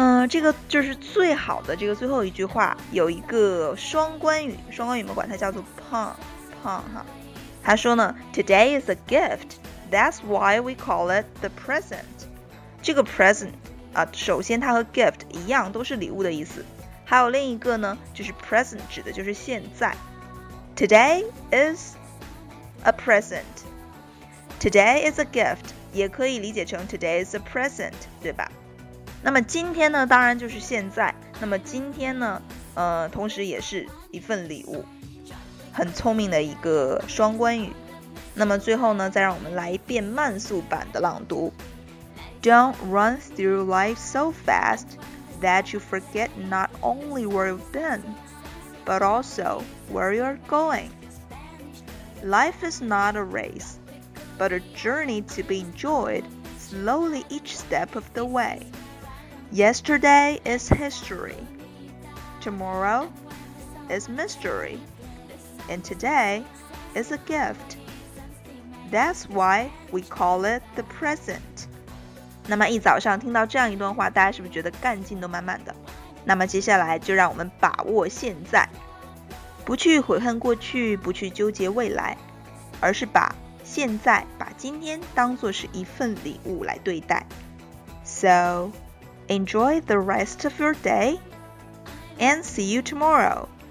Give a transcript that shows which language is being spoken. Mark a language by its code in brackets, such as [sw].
[zh] 这个就是最好的这个最后一句话有一个双关语，双关语我们管它叫做 pun 哈。他说呢 [en] today is a gift， that's why we call it the present。 [zh] 这个 present啊，首先它和 gift 一样都是礼物的意思，还有另一个呢就是 present 指的就是现在。 [en] Today is a present， Today is a gift [zh] 也可以理解成 [en] Today is a present， [zh] 对吧？那么今天呢当然就是现在，那么今天呢同时也是一份礼物，很聪明的一个双关语。那么最后呢再让我们来一遍慢速版的朗读。 [en] Don't run through life so fast that you forget not only where you've been, but also where you're going. Life is not a race, but a journey to be enjoyed slowly each step of the way. Yesterday is history, tomorrow is mystery, and today is a gift. That's why we call it the present. [zh] 那么一早上听到这样一段话，大家是不是觉得干劲都满满的？那么接下来就让我们把握现在，不去悔恨过去，不去纠结未来，而是把现在，把今天当作是一份礼物来对待。 [en] So, enjoy the rest of your day, and see you tomorrow.